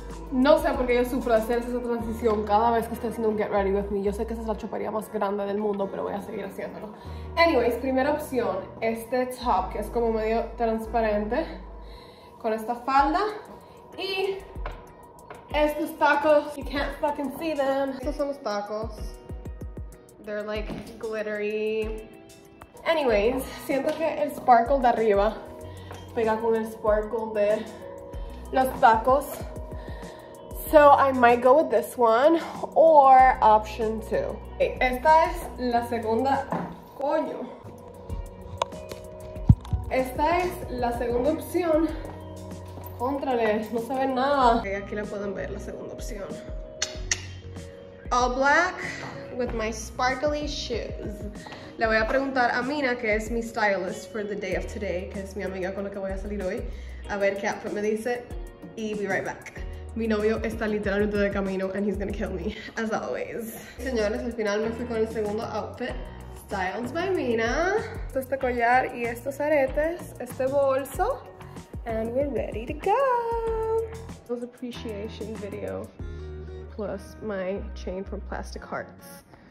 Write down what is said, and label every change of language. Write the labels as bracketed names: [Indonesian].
[Spanish] No sé por qué yo sufro de hacer esa transición cada vez que estoy haciendo un get ready with me. Yo sé que esa es la chopería más grande del mundo, pero voy a seguir haciéndolo. Anyways, primera opción, este top, que es como medio transparente, con esta falda y... Estos tacos, [English] you can't fucking see them. [Spanish] Estos son los tacos. [English] They're like glittery. [Spanish] Anyways, siento que el sparkle de arriba pega con el sparkle de los tacos. [English] So I might go with this one or option 2. [Spanish] Esta es la segunda. Coño. Esta es la segunda opción. Contrale, no se ve nada. Okay, aquí la pueden ver, la segunda opción. [English] All black with my sparkly shoes. [Spanish] Le voy a preguntar a Mina, que es mi stylist [English] for the day of today, [Spanish] que es mi amiga con la que voy a salir hoy, a ver qué outfit me dice. Y [English] be right back. [Spanish] Mi novio está literalmente de camino [English] and he's gonna kill me, as always. [Spanish] Señores, al final me fui con el segundo outfit. [English] Styled by Mina. [Spanish] Este collar y estos aretes, este bolso. [English] And we're ready to go. Those appreciation video plus my chain from Plastic Hearts.